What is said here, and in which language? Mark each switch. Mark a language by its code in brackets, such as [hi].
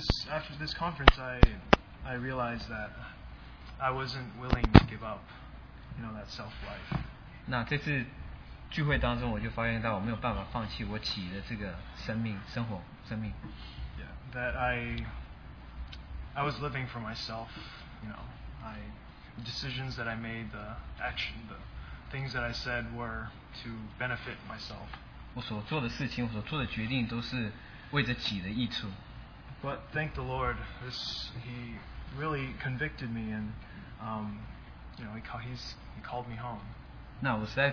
[en] After this conference, I realized that I wasn't willing to give up, that self-life. [zh] 那这次聚会当中，我就发现到我没有办法放弃我己的这个生命，生活，生命。 [en] Yeah, that I was living for myself, the decisions that I made, the action, the things that I said were to benefit myself. [zh] 我所做的事情，我所做的决定都是为着己的益处。 [en] But thank the Lord, He really convicted me, and He called me home.